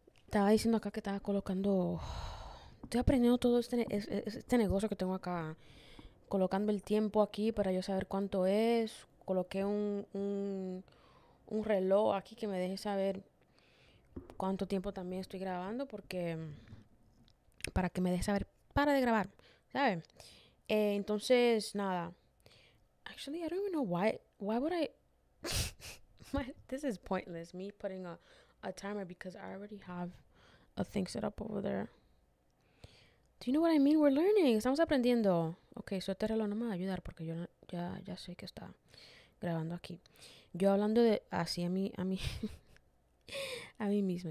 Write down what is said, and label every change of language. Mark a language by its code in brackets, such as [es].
[pt] Tá dizendo acá que tá colocando... Estou aprendendo todo este negócio [es] que tengo acá. Colocando el tiempo aquí para yo saber cuánto es. Coloquei un reloj aquí que me deje saber cuánto tiempo también estoy grabando. Porque... Para que me deje saber para de grabar, ¿sabe? Entonces, nada. [en] Actually, I don't even know why would I... this is pointless, me putting a timer because I already have a thing set up over there. Do you know what I mean? We're learning. [es] Estamos aprendiendo. Okay, so este reloj no me va a ayudar porque yo ya sé que está grabando aquí. Yo hablando de así a mí a mí mismo.